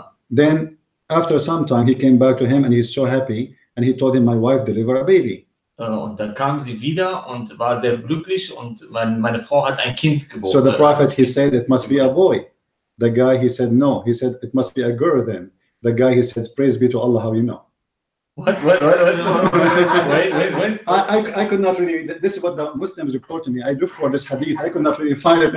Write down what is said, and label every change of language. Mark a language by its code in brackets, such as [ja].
[en] Then after some time, he came back to him and he's so happy. And he told him, my wife delivered a baby. [de] Und dann kam sie wieder und war sehr glücklich und meine Frau hat ein Kind geboren. [en] So the Prophet, he said, it must be a boy. The guy, he said, no. He said, it must be a girl then. The guy, he says, praise be to Allah, how you know? What? I could not really, this is what the Muslims report to me. I look for this hadith. I could not really find it.